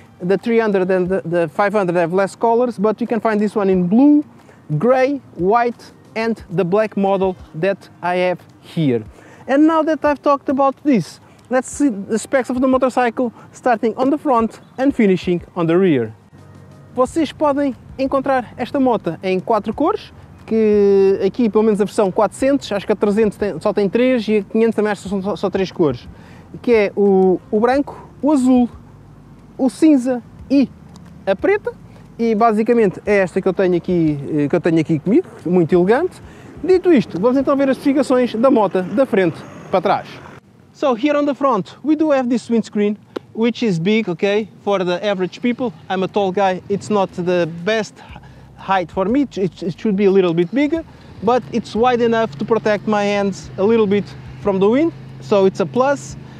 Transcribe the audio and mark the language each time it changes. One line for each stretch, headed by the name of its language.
English: The 300 and the 500 have less colors, but you can find this one in blue, gray, white, and the black model that I have here. And now that I've talked about this, let's see the specs of the motorcycle, starting on the front and finishing on the rear.
Portuguese: Vocês podem encontrar esta moto em quatro cores, que aqui pelo menos a versão 400, acho que a 300 só tem três, e a 500 também acho que são só três cores, que é o branco, o azul, o cinza e a preta. E basicamente é esta que eu tenho aqui comigo, muito elegante. Dito isto, vamos então ver as especificações da moto da frente para trás.
English: So here on the front we do have this windscreen, which is big, okay, for the average people. I'm a tall guy, it's not the best height for me, it should be a little bit bigger, but it's wide enough to protect my hands a little bit from the wind, so it's a plus.